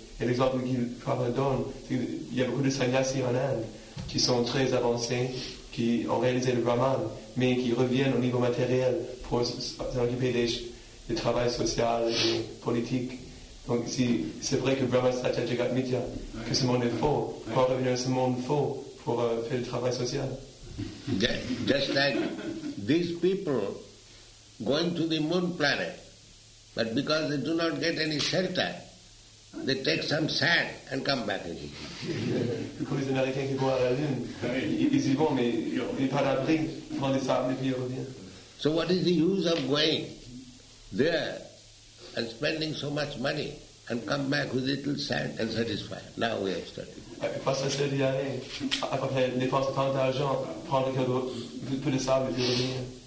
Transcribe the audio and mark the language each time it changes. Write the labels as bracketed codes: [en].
[fr] Et l'exemple qu'il donne, c'est qu'il y a beaucoup de sannyasis en Inde qui sont très avancés, qui ont réalisé le Brahman, mais qui reviennent au niveau matériel pour s'occuper des travaux sociaux et politiques. Donc si c'est vrai que Brahman Satya Jagat Mithya, que ce monde est faux, pour revenir à ce monde faux pour faire le travail social. [en] Just like these people going to the moon planet, but because they do not get any shelter, they take some sand and come back again. [fr] Pour les Américains qui vont à la Lune, ils y vont, mais ils partent après, ils prennent des sables et puis ils reviennent. [en] So what is the use of going there and spending so much money and come back with little sand and satisfied? Now we have started. [fr] Parce que c'est d'y aller, après dépenser tant d'argent, prendre un peu de sable et puis revenir.